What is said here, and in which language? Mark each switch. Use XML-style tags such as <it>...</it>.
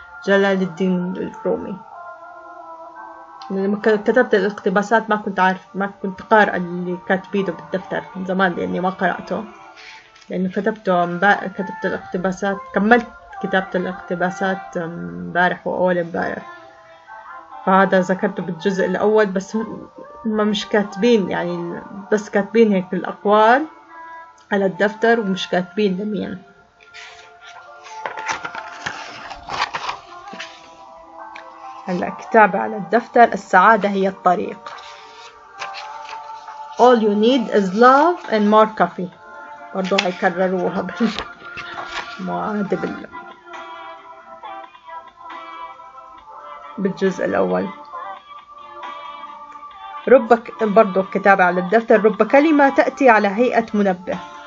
<ar>جلال الدين الرومي. لما كتبت الاقتباسات ما كنت قارئ اللي كاتبيده بالدفتر من زمان، لاني ما قرأته، لانه كتبت الاقتباسات، كملت كتابة الاقتباسات امبارح واول امبارح، فهذا ذكرته بالجزء الاول، بس هم مش كاتبين، يعني بس كاتبين هيك الاقوال على الدفتر ومش كاتبين لمين. هلأ كتابة على الدفتر: السعادة هي الطريق.</ar> <en>All you need is love and more coffee.</en> <ar>برضو هيكرروها بالمعادب بالجزء الأول. ربك برضو كتابة على الدفتر: رب كلمة تأتي على هيئة منبه.</ar>